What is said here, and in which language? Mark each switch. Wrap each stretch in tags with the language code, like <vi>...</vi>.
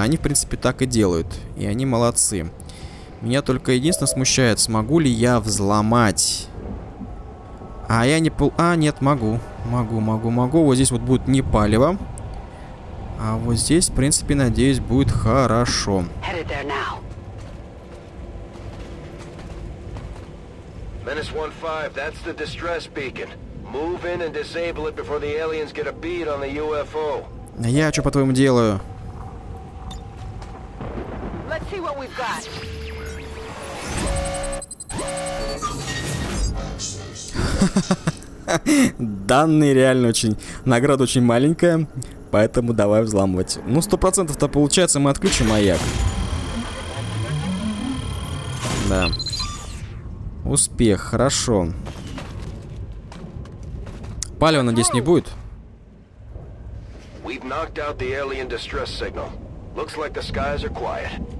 <ru>Они, в принципе, так и делают. И они молодцы. Меня только единственное смущает, смогу ли я взломать. А я не... Нет, могу. Могу. Вот здесь вот будет не палево. А вот здесь, в принципе, надеюсь, будет хорошо.</ru> <en>Menace 1-5, that's the distress beacon. Move in and disable it before the aliens get a bead on the UFO.</en> <ru>Я что по-твоему делаю?</ru> <en>Let's see what we've got.</en> <ru>Данные реально очень... Награда очень маленькая, поэтому давай взламывать. Ну, 100%-то получается, мы отключим маяк. Да. Успех, хорошо. Палева, надеюсь, не будет?</ru> <en>We've knocked out the alien distress signal. Looks like the skies are quiet.</en>